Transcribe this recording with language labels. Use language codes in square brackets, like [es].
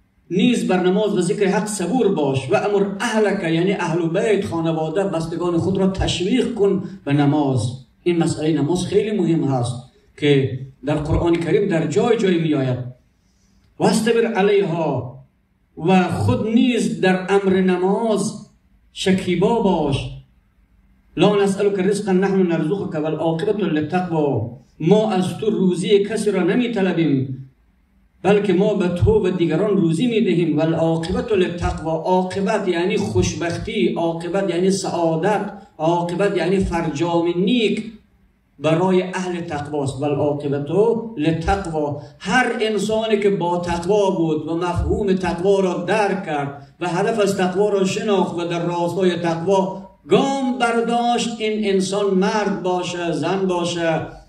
[fa] نیز بر نماز و ذکر حق صبور باش و امر اهلک یعنی اهل بیت خانواده بستگان خود را تشویق کن به نماز. این مسئله نماز خیلی مهم هست که در قرآن کریم در جای جای می آید. [ar] واستبر علیها [fa] و خود نیز در امر نماز شکیبا باش. [ar] لا نسألک رزقا نحن نرزقک و العاقبة للتقوا. [fa] ما از تو روزی کسی را نمی طلبیم بلکه ما به تو و دیگران روزی می دهیم. [ar] و العاقبة للتقوا، [fa] عاقبت یعنی خوشبختی، عاقبت یعنی سعادت، عاقبت یعنی فرجام نیک برای اهل تقواست. و العاقبة للتقوا، هر انسانی که با تقوا بود و مفهوم تقوا را درک کرد و هدف از تقوا را شناخت و در راستای تقوا گام برداشت، این انسان مرد باشه، زن باشه،